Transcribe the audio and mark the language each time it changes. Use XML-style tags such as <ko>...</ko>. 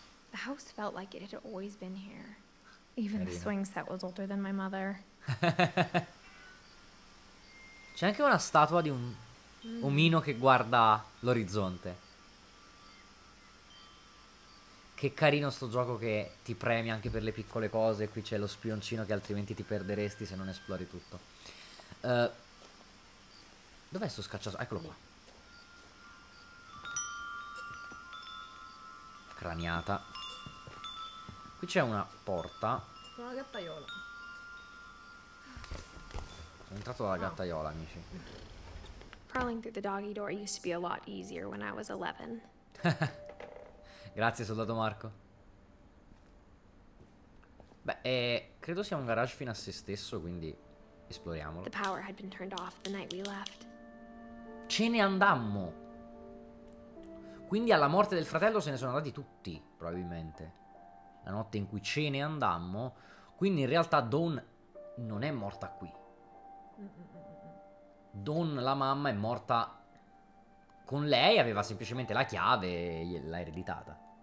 <en>The house felt like it had always been here. Even the</en> <it>Carino.</it> <en>swing set was older than my mother.</en> <it>C'è anche una statua di un omino che guarda l'orizzonte. Che carino sto gioco che ti premia anche per le piccole cose. Qui c'è lo spioncino che altrimenti ti perderesti se non esplori tutto. Dov'è sto scacciato? Eccolo qua. Craniata. Qui c'è una porta. Sono una gattaiola. Sono entrato dalla Oh. gattaiola, amici.</it> <en>Crawling through the doggy door used to be a lot easier when I was 11.</en> <it>Grazie, soldato Marco. Beh, credo sia un garage fino a se stesso, quindi esploriamolo.</it> <en>The power had been turned off the night we left.</en> <it>Ce ne andammo. Quindi alla morte del fratello se ne sono andati tutti, probabilmente. La notte in cui ce ne andammo. Quindi in realtà Dawn non è morta qui. Dawn, la mamma, è morta con lei, aveva semplicemente la chiave e l'ha ereditata.</it>